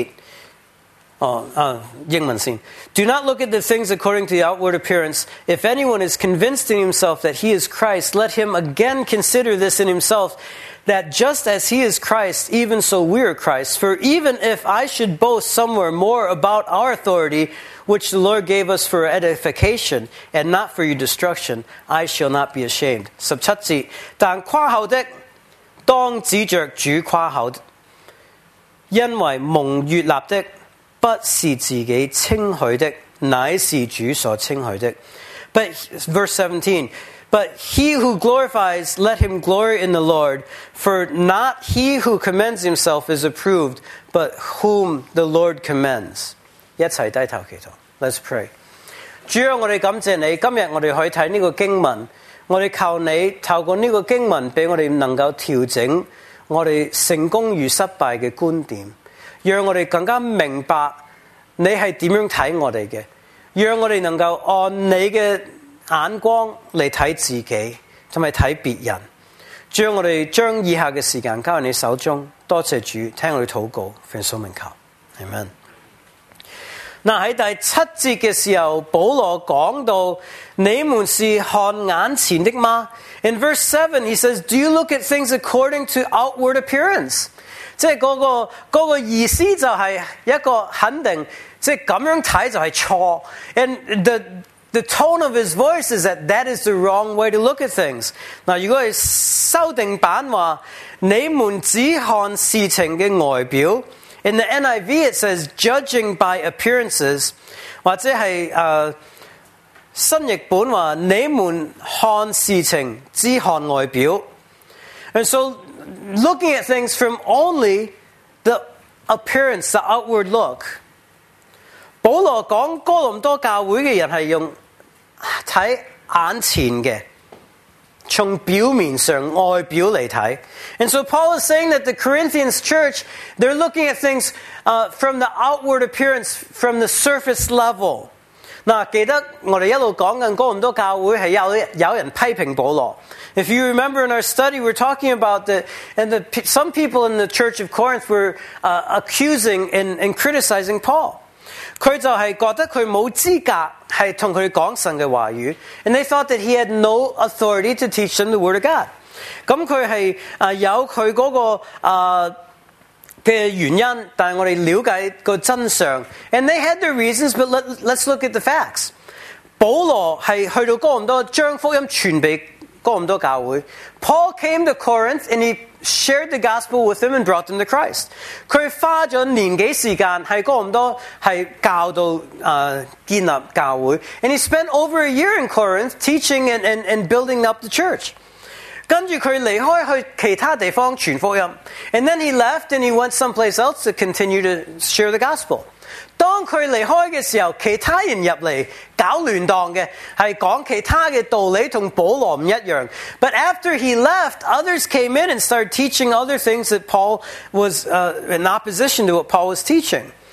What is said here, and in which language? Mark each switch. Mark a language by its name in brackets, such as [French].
[Chinese] 主赐给我们权柄，是要造就你们，并不是要败坏你们。我就是为这权柄守未夸口，也不至于惭愧。十七节，英文先。 [English] Do not look at the things according to the outward appearance. If anyone is convinced in himself that he is Christ, let him again consider this in himself, that just as he is Christ, even so we are Christ. For even if I should boast somewhere more about our authority, which the Lord gave us for edification, and not for your destruction, I shall not be ashamed. [Chinese] 十七节,但夸口的,当指着主夸口的,因为蒙悦立的,不是自己称许的,乃是主所称许的. [English] But verse 17, but he who glorifies, let him glory in the Lord. For not he who commends himself is approved, but whom the Lord commends. [Chinese] 一起低头祈祷, [English] let's pray. [Chinese] 主要我们感谢你，今天我们可以看这个经文，我们求你透过这个经文给我们能够调整我们成功与失败的观点，让我们更加明白你是怎样看我们的，让我们能够按你的眼光来看自己和看别人。主，我们将以下的时间交在你手中，多谢主听我们祷告，奉主名求， Amen。在第七节的时候，保罗讲到你们是看眼前的吗？ [English] In verse 7 he says, Do you look at things according to outward appearance? [Chinese] 即是那个意思就是一个肯定，即是这样看就是错。 [English] And the tone of his voice is that is the wrong way to look at things. [Chinese] 那如果是修订版话，你们只看事情的外表。 [English] In the NIV it says, judging by appearances. [Chinese] 或者是新译本话，你们看事情只看外表。 [English] And so, looking at things from only the appearance, the outward look. [Chinese] 保罗讲哥林多教会的人是用看眼前的，从表面上外表来看。 [English] And so Paul is saying that the Corinthians church, they're looking at things from the outward appearance, from the surface level. [Chinese] 那记得我们一路讲的哥林多教会是 有人批评保罗。 [English] If you remember in our study, we're talking about some people in the church of Corinth were accusing and criticizing Paul. [Chinese] 他就是觉得他没有资格是跟他讲神的话语， [English] and they thought that he had no authority to teach them the word of God. [Chinese] 那他是有他那个的原因，但我们了解个真相， [English] and they had their reasons, but let's look at the facts. [Chinese] 保罗是去到哥林多将福音传给哥林多教会， [English] Paul came to Corinth and he shared the gospel with them and brought them to Christ. [Chinese] 他花了年多时间在哥林多是教导建立教会， [English] and he spent over a year in Corinth teaching and building up the church. [Chinese] 跟着他离开去其他地方传福音， [English] and then he left and he went someplace else to continue to share the gospel. [Chinese] 当他离开的时候，其他人入来搞乱荡的，是讲其他的道理跟保罗不一样。 But after he left, others came in and started teaching other things that Paul was in opposition to what Paul was teaching.